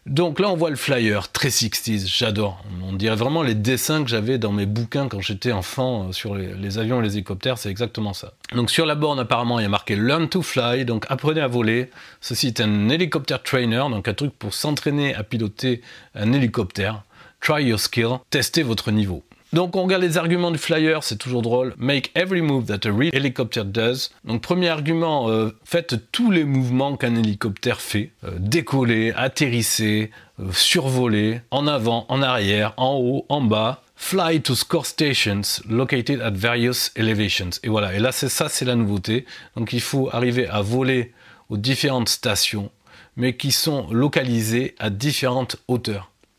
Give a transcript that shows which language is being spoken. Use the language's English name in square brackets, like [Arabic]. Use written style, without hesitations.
[French] Donc là, on voit le flyer, très 60s, j'adore. On dirait vraiment les dessins que j'avais dans mes bouquins quand j'étais enfant sur les avions et les hélicoptères, c'est exactement ça. Donc sur la borne, apparemment, il y a marqué « [English] Learn to fly [French] », donc « Apprenez à voler ». Ceci est un hélicoptère trainer, donc un truc pour s'entraîner à piloter un hélicoptère. « [English] Try your skill [French] », testez votre niveau. Donc on regarde les arguments du flyer, c'est toujours drôle. [English] Make every move that a real helicopter does. [French] Donc premier argument, faites tous les mouvements qu'un hélicoptère fait. Décoller, atterrisser, survoler, en avant, en arrière, en haut, en bas. [English] Fly to score stations located at various elevations. [French] Et voilà, et là c'est ça, c'est la nouveauté. Donc il faut arriver à voler aux différentes stations, mais qui sont localisées à différentes hauteurs.